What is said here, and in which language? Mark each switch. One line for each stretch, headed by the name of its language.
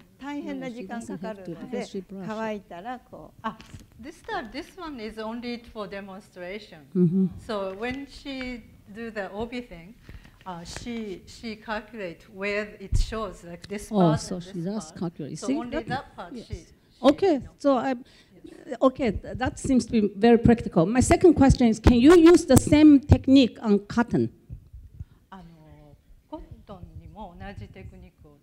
Japanese: 大変な時間かかるので、乾いたらこう。
English: This time, this one is only for demonstration. Mm-hmm. So when she do the obi thing, she calculate where it shows like this part. Oh, so she does calculate. So only that part. Yes. Okay, that seems to be very practical. My second question is, can you use the same technique on cotton?
Japanese: コットンにも同じテクニック。